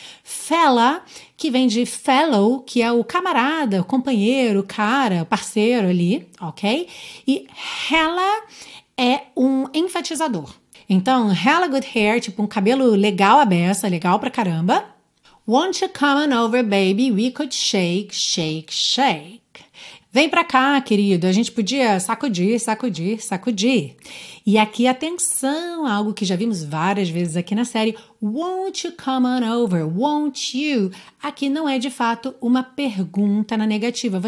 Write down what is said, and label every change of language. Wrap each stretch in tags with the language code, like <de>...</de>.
<pt>Fella, que vem de fellow, que é o camarada, companheiro, cara, parceiro ali, ok? E hella é um enfatizador. Então,</pt> <en>hella good hair,</en> <pt>tipo um cabelo legal à beça, legal pra caramba.</pt> <en>Won't you come on over, baby? We could shake, shake, shake.</en> <pt>Vem pra cá, querido. A gente podia sacudir, sacudir, sacudir. E aqui, atenção, algo que já vimos várias vezes aqui na série.</pt> <en>Won't you come on over? Won't you?</en> <pt>Aqui não é, de fato, uma pergunta na negativa.</pt>